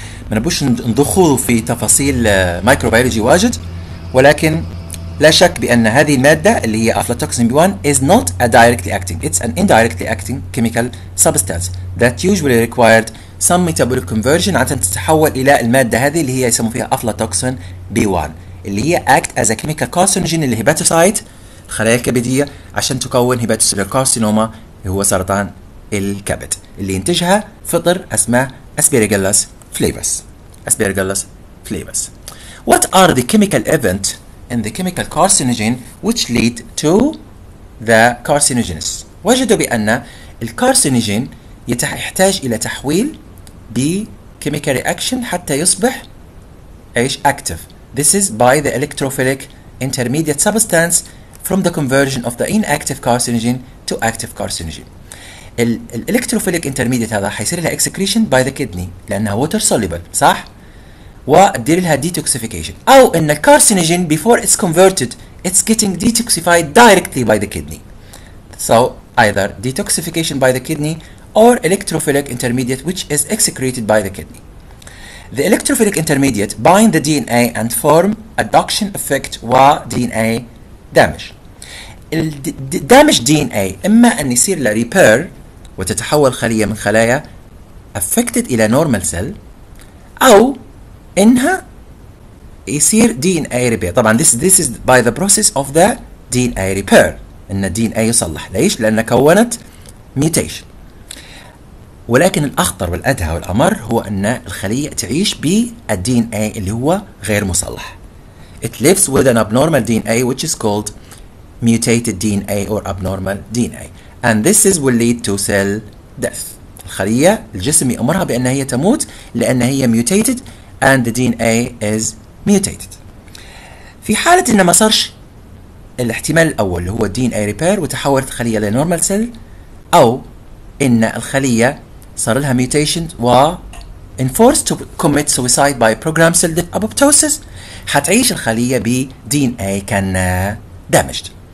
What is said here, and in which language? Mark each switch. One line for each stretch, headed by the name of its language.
Arabic: ما نبوش ندخل في تفاصيل مايكروبيولوجي واجد ولكن لا شك بان هذه الماده اللي هي افلاتوكسين بي 1
English: is not a directly acting it's an indirectly acting chemical substance that usually required some metabolic conversion
Arabic: عشان تتحول الى الماده هذه اللي هي يسموها فيها افلاتوكسين بي 1 اللي هي
English: act as a chemical carcinogen
Arabic: للهيباتوسايت الخلايا الكبدية عشان تكون هيباتوسيلر كارسينوما اللي هو سرطان الكبد اللي ينتجها فطر اسمه اسبيرجلس فليفس. اسبيرجلس فليفس.
English: What are the chemical event in the chemical carcinogen which lead to the carcinogens?
Arabic: وجدوا بأن الكارسينوجين يحتاج إلى تحويل ب chemical reaction حتى يصبح ايش active.
English: This is by the electrophilic intermediate substance from the conversion of the inactive carcinogen to active carcinogen. ال electrophilic intermediate
Arabic: هذا حيصير لها
English: excretion by the kidney
Arabic: لأنها
English: water soluble
Arabic: صح؟ ودير لها
English: detoxification
Arabic: أو أن الكارسينوجين
English: before it's converted it's getting detoxified directly by the kidney. So either detoxification by the kidney or electrophilic intermediate which is excreted by the kidney. The electrophilic intermediate bind the DNA and form adduction effect و DNA damage.
Arabic: ال damage DNA إما أن يصير له repair وتتحول خلية من خلايا affected إلى normal cell أو إنها يصير DNA repair. طبعا
English: this is by the process of the DNA repair
Arabic: إن DNA يصلح. ليش؟ لأن كونت mutation. ولكن الأخطر والأدهى والأمر هو أن الخلية تعيش بال DNA اللي هو غير مصلح.
English: It lives with an abnormal DNA which is called mutated DNA or abnormal DNA. And this is will lead to cell death.
Arabic: الخلية الجسم يأمرها بأن هي تموت لأن هي mutated
English: and the DNA is mutated.
Arabic: في حالة إن ما صارش الاحتمال الأول اللي هو DNA repair وتحولت الخلية إلى normal cell أو إن الخلية صار لها mutation و
English: enforced to commit suicide by programmed cell death apoptosis
Arabic: حتعيش الخلية ب DNA كان damaged.